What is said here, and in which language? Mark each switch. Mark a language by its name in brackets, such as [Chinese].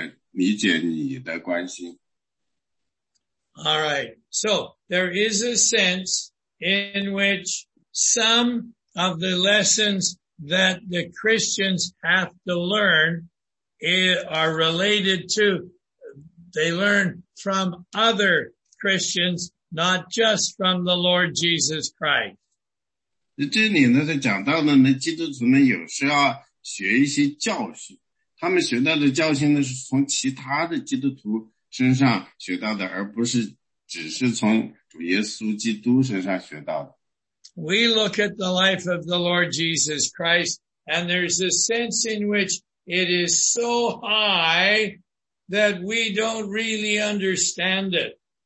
[Chinese] 因为他这个呢不是一个很容易理解的一个句子，所以他理解你的关心。 [English] All right. So there is a sense in which some of the lessons that the Christians have to learn are related to, they learn from other Christians, not just from the Lord Jesus Christ. [Chinese] 这里呢他讲到的呢基督徒呢有时候要学一些教训，他们学到的教训呢是从其他的基督徒身上学到的，而不是只是从主耶稣基督身上学到的。 [English] We look at the life of the Lord Jesus Christ, and there's a sense in which it is so high that we don't really understand it.